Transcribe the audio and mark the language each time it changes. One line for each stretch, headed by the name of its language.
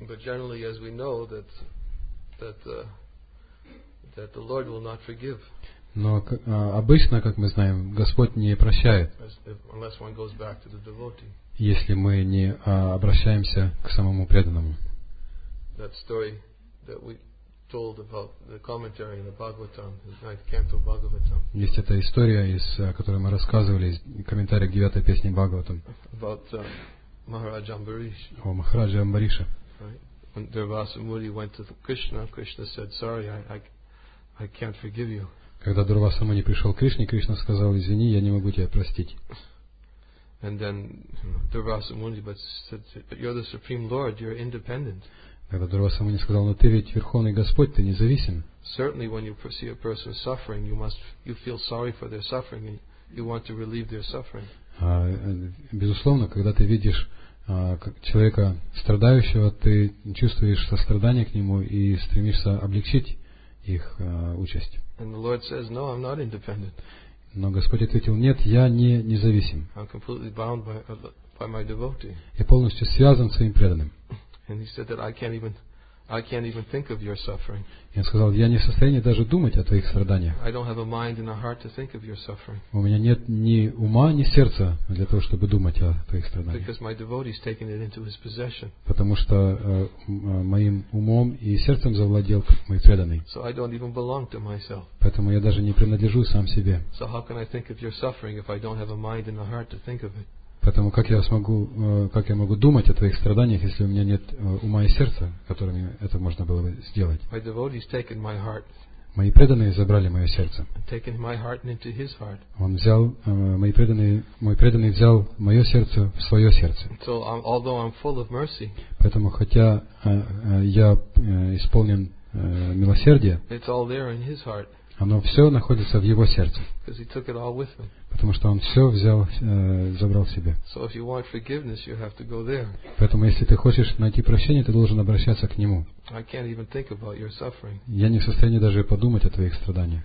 English: But generally, as we know, that the Lord will not forgive.
Russian: Но обычно, как мы знаем, Господь не прощает.
English: Unless one goes back to the devotee.
Russian: Если мы не обращаемся к самому преданному.
English: That story that we told about the commentary in the Bhagavatam, the ninth canto of Bhagavatam.
Russian: Есть эта история, из которой мы рассказывали, комментарий к девятой песне Бхагаватам.
English: About Maharaja Ambarish.
Russian: О Махараджа Амбариша.
English: Right. When Durvasa Muni went to Krishna, Krishna said, "Sorry, I can't forgive you."
Russian: Когда Дурвасу Муни пришел к Кришне, Кришна сказал: "Извини, я не могу тебя простить."
English: And then Дурвасу Муни said, "You're the supreme Lord. You're independent."
Russian: Когда Дурвасу Муни сказал: "Но ты ведь верховный Господь, ты независим."
English: Certainly, when you see a person suffering, you feel sorry for their suffering and you want to relieve their suffering.
Russian: Безусловно, когда ты видишь человека страдающего, ты чувствуешь сострадание к нему и стремишься облегчить их участь.
English: And the Lord says, "No, I'm not independent."
Russian: Но Господь ответил: "Нет, я не независим.
English: I'm completely bound by my devotee."
Russian: Я полностью связан с своим преданным.
English: And he said that I can't even think of your suffering.
Russian: Я сказал: "Я не в состоянии даже думать о твоих страданиях."
English: I don't have a mind and a heart to think of your suffering.
Russian: У меня нет ни ума, ни сердца для того, чтобы думать о твоих страданиях.
English: Because my devotee is taking it into his possession.
Russian: Потому что моим умом и сердцем завладел мой преданный.
English: So I don't even belong to myself.
Russian: Поэтому я даже не принадлежу сам себе.
English: So how can I think of your suffering if I don't have a mind and a heart to think of it?
Russian: Поэтому как я могу думать о твоих страданиях, если у меня нет ума и сердца, которыми это можно было бы сделать?
English: My devotee's taken my heart.
Russian: Мои преданные забрали мое сердце.
English: Taken my heart into his heart.
Russian: Он взял, мой преданный взял мое сердце в свое сердце.
English: So, although I'm full of mercy,
Russian: поэтому хотя я исполнен милосердия,
English: it's all there in his heart.
Russian: Оно все находится в его сердце.
English: Because he took it all with him.
Russian: Потому что он все взял, забрал себе.
English: So if you want forgiveness, you have to go there.
Russian: Поэтому если ты хочешь найти прощение, ты должен обращаться к нему.
English: I can't even think about your suffering.
Russian: Я не в состоянии даже подумать о твоих страданиях.